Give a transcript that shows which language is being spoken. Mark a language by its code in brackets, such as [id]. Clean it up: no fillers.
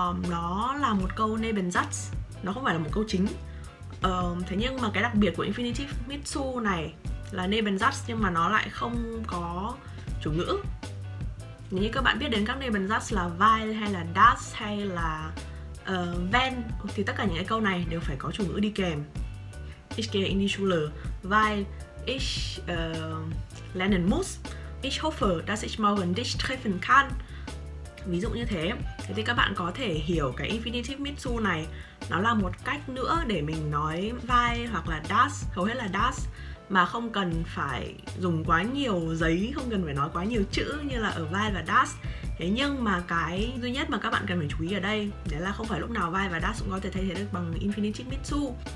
[vi] Nó là một câu Nebensatz, nó không phải là một câu chính. Thế nhưng mà cái đặc biệt của infinitive mitsu này là Nebensatz, nhưng mà nó lại không có chủ ngữ. Nếu như các bạn biết đến các Nebensatz là weil hay là das hay là wenn, thì tất cả những cái câu này đều phải có chủ ngữ đi kèm. [de] Ich gehe in die Schule, weil ich lernen muss. Ich hoffe, dass ich morgen dich treffen kann. [vi] Ví dụ như thế. Thế thì các bạn có thể hiểu cái infinitive mitsu này nó là một cách nữa để mình nói weil hoặc là das, hầu hết là das, mà không cần phải dùng quá nhiều giấy, không cần phải nói quá nhiều chữ như là ở weil và das. Thế nhưng mà cái duy nhất mà các bạn cần phải chú ý ở đây đấy là không phải lúc nào weil và das cũng có thể thay thế được bằng infinitive mitsu.